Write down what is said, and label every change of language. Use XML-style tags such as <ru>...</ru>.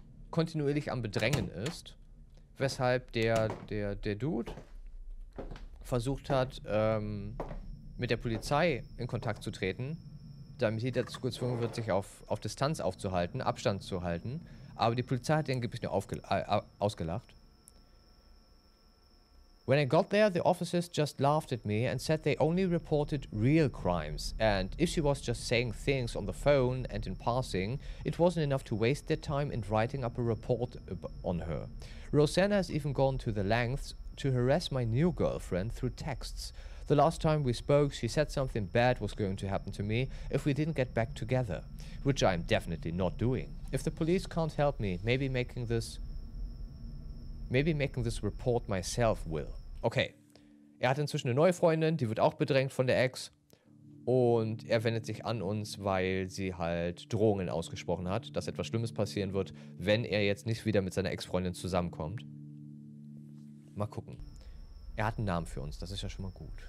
<de>kontinuierlich am Bedrängen ist, weshalb der Dude versucht hat, mit der Polizei in Kontakt zu treten, damit sie dazu gezwungen wird, sich auf Distanz aufzuhalten, Abstand zu halten. Aber die Polizei hat den Gebiss nur ausgelacht.</de> <en>When I got there, the officers just laughed at me and said they only reported real crimes. And if she was just saying things on the phone and in passing, it wasn't enough to waste their time in writing up a report on her. Rosanna has even gone to the lengths to harass my new girlfriend through texts. The last time we spoke, she said something bad was going to happen to me if we didn't get back together, which I'm definitely not doing. If the police can't help me, maybe making this report myself will.</en> <de>Okay, er hat inzwischen eine neue Freundin, die wird auch bedrängt von der Ex und er wendet sich an uns, weil sie halt Drohungen ausgesprochen hat, dass etwas Schlimmes passieren wird, wenn er jetzt nicht wieder mit seiner Ex-Freundin zusammenkommt. Mal gucken. Er hat einen Namen für uns, das ist ja schon mal gut.</de>